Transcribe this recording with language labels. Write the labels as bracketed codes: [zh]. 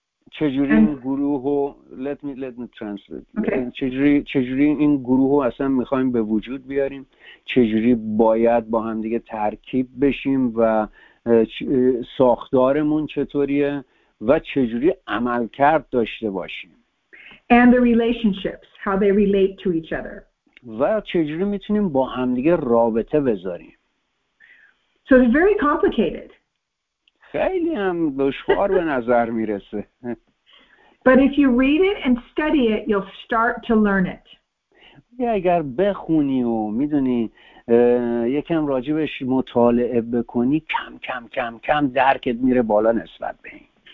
[fa] چجوری این گروه رو [en] let me translate. Okay. [fa] چجوری این گروه رو اصلا میخوایم به وجود بیاریم، چجوری باید با هم دیگه ترکیب بشیم و ساختارمون چطوریه و چجوری عملکرد داشته باشیم. [en] And the relationships, how they relate to each other. [fa] و چجوری میتونیم با هم دیگه رابطه بذاریم. [en] So it's very complicated. [fa] خیلی هم دشوار به نظر میرسه. [en] But if you read it and study it, you'll start to learn it. [fa] اگر بخونی و میدونی یکم راجبش مطالعه بکنی، کم کم درکت میره بالا نسبت به این.